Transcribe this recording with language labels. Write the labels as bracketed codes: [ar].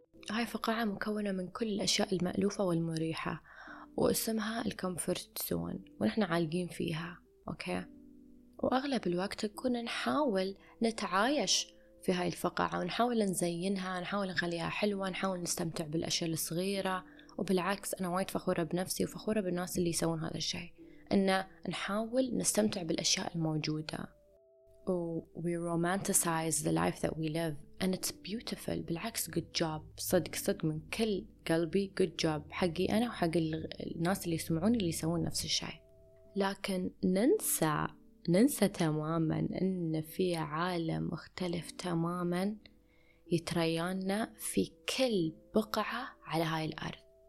[ar] هاي فقاعة مكونة من كل الأشياء المألوفة والمريحة واسمها الكمفورت زون، ونحن عالقين فيها، أوكي، وأغلب الوقت نكون نحاول نتعايش في هاي الفقاعة ونحاول نزينها، نحاول نخليها حلوة، نحاول نستمتع بالأشياء الصغيرة. وبالعكس أنا وايد فخورة بنفسي وفخورة بالناس اللي يسوون هذا الشيء، أن نحاول نستمتع بالأشياء الموجودة. [en] We romanticize the life that we live and it's beautiful. [ar] بالعكس [en] good job، [ar] صدق صدق من كل قلبي good job حقي أنا وحق الناس اللي يسمعوني اللي يسوون نفس الشيء. لكن ننسى تماما أن في عالم مختلف تماما يتريانا في كل بقعة على هاي الأرض.